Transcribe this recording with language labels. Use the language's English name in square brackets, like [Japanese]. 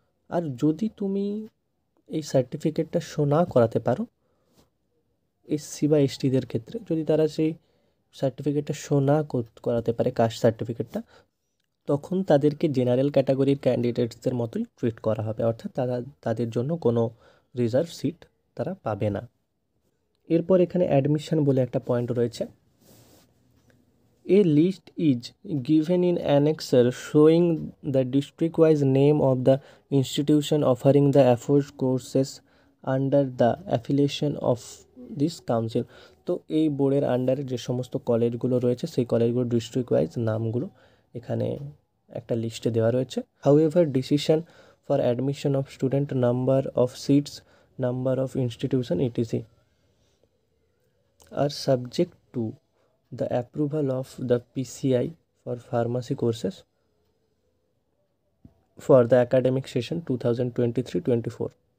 [Bangla] আর যদি তুমি এই সার্টিফিকেটটা শো না করাতে পারো এসসি বা এসটিদের ক্ষেত্রে, যদি তারা সেই সার্টিফিকেটটা শো না করাতে পারে কাস্ট সার্টিফিকেটটা, তখন তাদেরকে জেনারেল ক্যাটাগরির ক্যান্ডিডেটসদের মতোই ট্রিট করা হবে, অর্থাৎ তাদের জন্য কোনো রিজার্ভ সিট তারা পাবে না। এরপর এখানে অ্যাডমিশন বলে একটা পয়েন্ট রয়েছে, [English] A list is given in annexure showing the district-wise name of the institution offering the afforded courses under the affiliation of this council. [Bangla] তো এই বোর্ডের আন্ডারে যে সমস্ত কলেজগুলো রয়েছে সেই কলেজগুলোর ডিস্ট্রিক্ট ওয়াইজ নামগুলো এখানে একটা লিস্টে দেওয়া রয়েছে। [English] However decision for admission of student number of seats number of institution etc are subject to the approval of the PCI for pharmacy courses for the academic session 2023-24।